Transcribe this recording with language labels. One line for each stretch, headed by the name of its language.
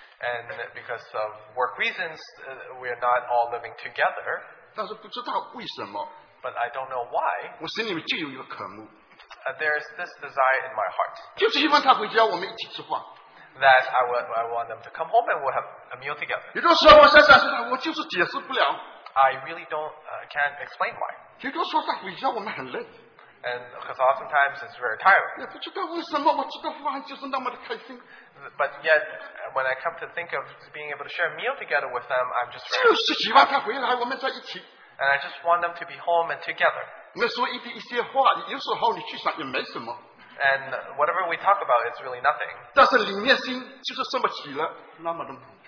English: And because of work reasons, we are not all living together.
Chinese: 但是不知道为什么。
English: But I don't know why.
Chinese: 我心里面就有一个渴慕。
English: There is this desire in my heart.
Chinese: 就是希望他回家，我们一起吃饭。
English: That I want them to come home and we'll have a meal together.
Chinese: 有的时候我想想，我就是解释不了。
English: I really can't explain why.
Chinese: 结果说实话，回家我们很累。
English: And because oftentimes it's very tiring. But yet, when I come to think of being able to share a meal together with them, I'm just ready. And I just want them to be home and together. And whatever we talk about, it's really nothing.